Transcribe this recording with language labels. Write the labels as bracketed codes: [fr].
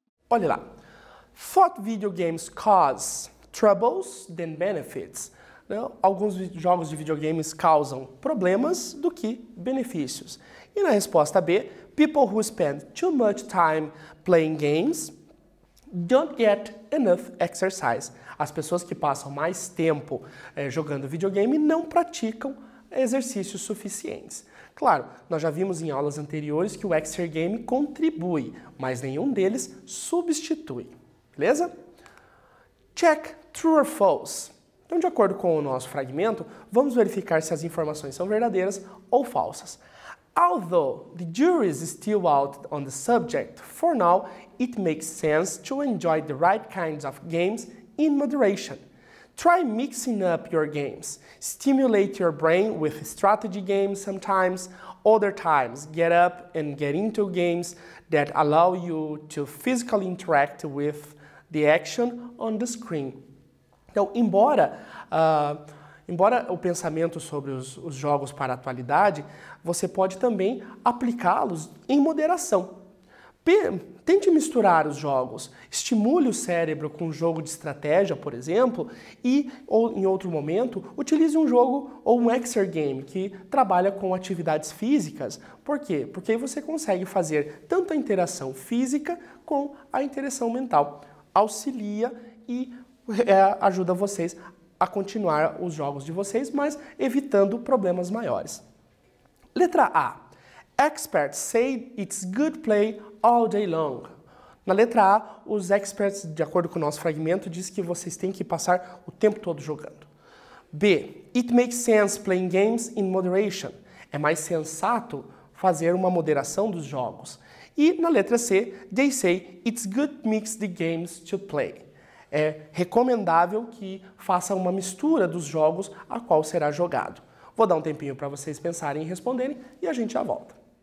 [pt] Olha lá, [en] thought video games cause troubles than benefits. [pt] alguns jogos de videogames causam problemas do que benefícios. E na resposta B, [en] people who spend too much time playing games don't get enough exercise. [pt] As pessoas que passam mais tempo jogando videogame não praticam exercícios suficientes. Claro, nós já vimos em aulas anteriores que o Exer Game contribui, mas nenhum deles substitui. Beleza? [en] Check true or false. [pt] Então, de acordo com o nosso fragmento, vamos verificar se as informações são verdadeiras ou falsas. [en] Although the jury is still out on the subject, for now, it makes sense to enjoy the right kinds of games in moderation. Try mixing up your games. Stimulate your brain with strategy games sometimes. Other times, get up and get into games that allow you to physically interact with the action on the screen. [pt] Então, embora o pensamento sobre os jogos para a atualidade, você pode também aplicá-los em moderação. Tente misturar os jogos, estimule o cérebro com um jogo de estratégia, por exemplo, e, ou em outro momento, utilize um jogo ou um Exer Game que trabalha com atividades físicas. Por quê? Porque aí você consegue fazer tanto a interação física com a interação mental. Auxilia e ajuda vocês a continuar os jogos de vocês, mas evitando problemas maiores. Letra A. [en] Experts say it's good play all day long. [pt] Na letra A, os experts, de acordo com o nosso fragmento, diz que vocês têm que passar o tempo todo jogando. B. [en] It makes sense playing games in moderation. [pt] É mais sensato fazer uma moderação dos jogos. E na letra C, [en] they say it's good mix the games to play. [pt] É recomendável que faça uma mistura dos jogos a qual será jogado. Vou dar um tempinho para vocês pensarem e responderem e a gente já volta.